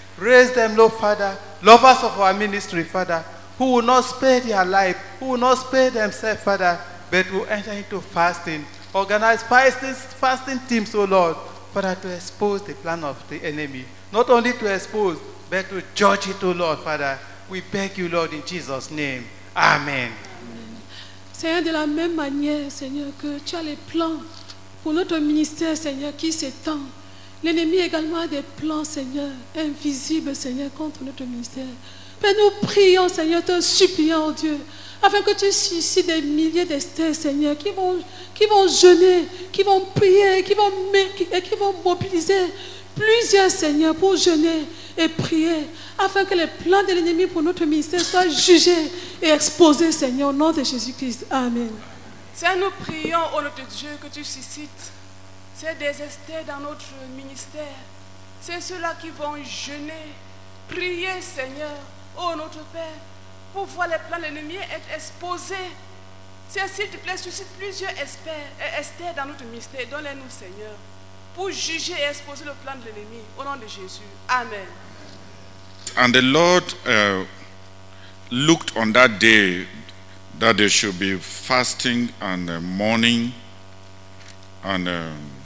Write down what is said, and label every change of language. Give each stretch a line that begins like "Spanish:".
English: Raise them, Lord, Father, lovers of our ministry, Father, who will not spare their life, who will not spare themselves, Father, but will enter into fasting. Organize fasting teams, oh Lord, Father, to expose the plan of the enemy. Not only to expose, but to judge it, oh Lord, Father. We beg you, Lord, in Jesus' name. Amen. Amen.
French: Seigneur, de la même manière, Seigneur, que tu as les plans pour notre ministère, Seigneur, qui s'étend. L'ennemi également a des plans, Seigneur, invisibles, Seigneur, contre notre ministère. Mais nous prions, Seigneur, te suppliant, oh Dieu, afin que tu suscites des milliers d'Esther, Seigneur, qui vont jeûner, qui vont prier, qui vont mobiliser plusieurs, Seigneur, pour jeûner et prier, afin que les plans de l'ennemi pour notre ministère soient jugés et exposés, Seigneur, au nom de Jésus-Christ. Amen. Seigneur, nous prions, ô notre Dieu, que tu suscites ces désestères dans notre ministère. C'est ceux-là qui vont jeûner, prier, Seigneur, ô notre Père, pour voir les plans de l'ennemi être exposés. Seigneur, s'il te plaît, suscite plusieurs Esther dans notre ministère. Donne-les-nous, Seigneur, pour juger et exposer le plan de l'ennemi. Au nom de Jésus. Amen.
English: And the Lord looked on that day that they should be fasting and mourning and